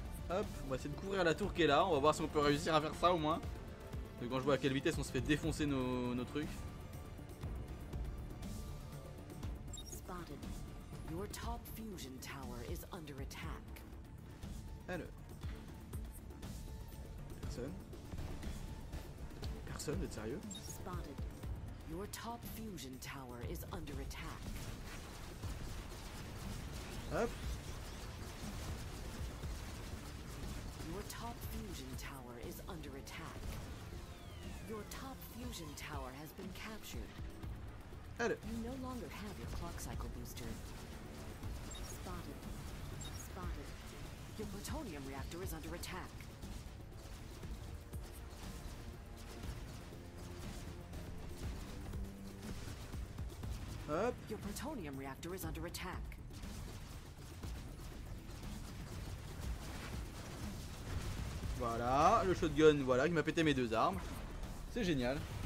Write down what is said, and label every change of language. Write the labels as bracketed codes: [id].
[fr] Hop, on va essayer de couvrir la tour qui est là, on va voir si on peut réussir à faire ça au moins. Donc quand je vois à quelle vitesse on se fait défoncer nos trucs. [en] Spotted. Your top fusion tower is under attack. [fr] Alors. Personne. Personne, vous êtes sérieux? [en] Spotted. Your top fusion tower is under attack. Hop. Your top fusion tower is under attack. Your top fusion tower has been captured. Allez. You no longer have your clock cycle booster. active plutonium reactor is under attack. [fr] Hop. [en] Your plutonium reactor is under attack. [fr] Voilà, le shotgun, voilà, il m'a pété mes deux armes. C'est génial.